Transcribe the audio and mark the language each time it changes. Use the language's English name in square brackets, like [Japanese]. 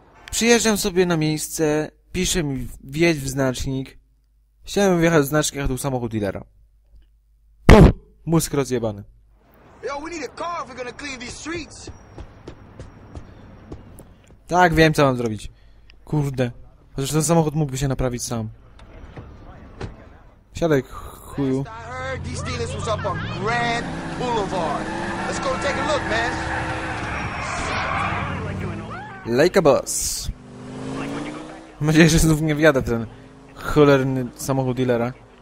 [Polish] Przyjeżdżam sobie na miejsce, piszę mi wjedź w znacznik. Chciałem wjechać w znacznik, a tu samochód dealera. Puh! Mózg rozjebany. [English] Yo, we need a car if we're gonna clean these streets. [Polish] Tak, wiem co mam zrobić. Kurde. Chociaż ten samochód mógłby się naprawić sam. Siadaj, chuju. [English] Like a boss. [Polish] Mam nadzieję, że znów nie wjadę w ten cholerny samochód dealera.